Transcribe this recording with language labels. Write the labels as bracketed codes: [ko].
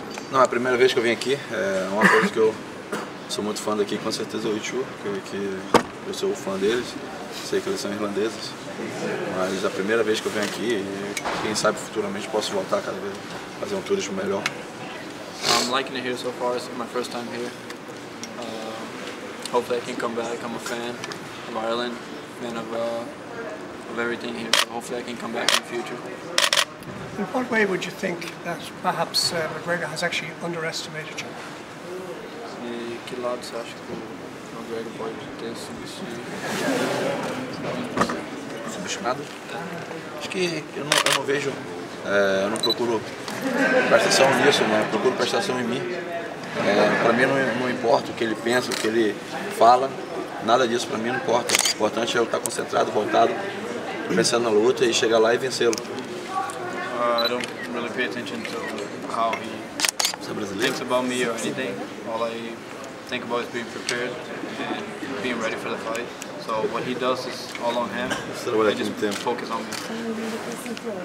[pt] Não, é a primeira vez que eu vim aqui. É uma coisa que eu sou muito fã daqui, com certeza é o Ichu, que eu sou fã deles. Sei que eles são irlandeses. Mas é a primeira vez que eu venho aqui e quem sabe futuramente posso voltar cada vez, fazer um turismo melhor. [en] I'm liking it here so far, it's my first time here. Hopefully I can come back. I'm a fan of Ireland, fan of everything here. So hopefully I can come back in the future. In what way would you think that perhaps McGregor has actually underestimated you? [pt] Que lado você acha que o McGregor pode ter subestimado? Subestimado? Acho que eu não vejo, eu não procuro prestar atenção nisso, né? Procuro prestar atenção em mim. Para mim não importa o que ele pensa, o que ele fala, nada disso para mim não importa. O importante é eu estar concentrado, voltado, pensando na luta e chegar lá e vencê-lo. [en] I don't really pay attention to how he thinks about me or anything. All I think about is being prepared and being ready for the fight. So what he does is all on him. I just focus on me.